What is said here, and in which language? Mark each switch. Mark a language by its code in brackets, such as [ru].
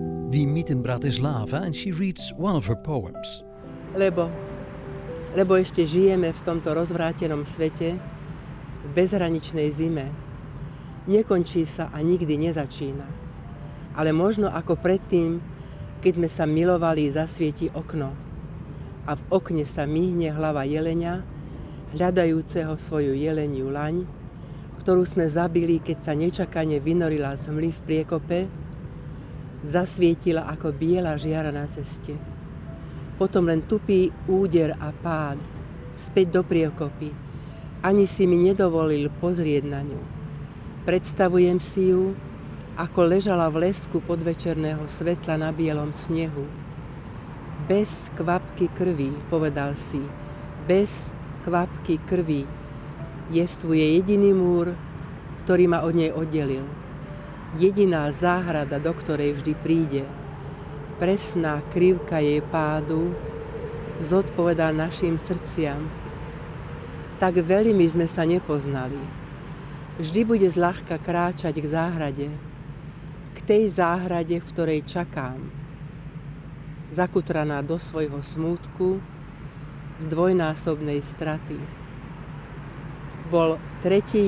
[en] We meet in Bratislava and she reads one of her poems. [sk] Lebo ešte žijeme v tomto rozvrátenom svete, v bezhraničnej zime. Nekončí sa a nikdy nezačína. Ale možno ako predtým, keď sme sa milovali, zasvieti okno. A v okne sa mihne hlava jelenia, hľadajúceho svoju jeleniu laň, ktorú sme zabili, keď sa nečakane vynorila z mly v priekope, zasvietila ako biela žiara na ceste. Potom len tupý úder a pád, späť do priekopy. Ani si mi nedovolil pozrieť na ňu. Predstavujem si ju, ako ležala v lesku podvečerného svetla na bielom snehu. Bez kvapky krvi, povedal si, bez kvapky krvi. Jestvuje jediný múr, ktorý ma od nej oddelil. Jediná záhrada, do ktorej vždy príde. Presná krivka jej pádu zodpovedá našim srdciam. Tak veľmi sme sa nepoznali. Vždy bude zľahka kráčať k záhrade. K tej záhrade, v ktorej čakám. Zakutraná do svojho smútku z dvojnásobnej straty. Bol 3.